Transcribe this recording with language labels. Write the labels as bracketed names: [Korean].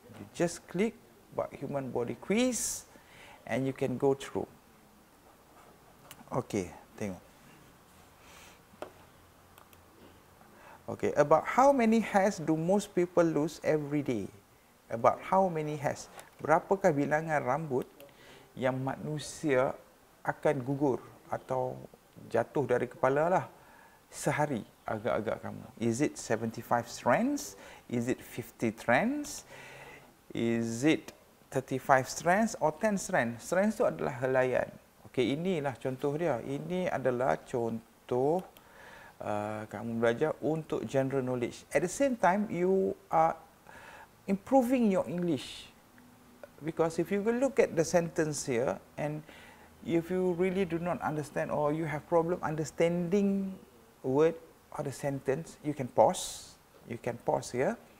[English] You just click about human body quiz and you can go through. Okay, [Malay] tengok. [English] Okay, about how many hairs do most people lose every day? About how many hairs? [Malay] Berapakah bilangan rambut yang manusia akan gugur atau jatuh dari kepala lah sehari agak-agak kamu? [English] Is it 75 strands? Is it 50 strands? Is it 35 strands or 10 strands? [Malay] Strands tu adalah helaian. Okay, inilah contoh dia. Ini adalah contoh kamu belajar untuk general knowledge. [English] At the same time, you are improving your English. Because if you will look at the sentence here, and if you really do not understand or you have problem understanding word or the sentence, you can pause. You can pause here.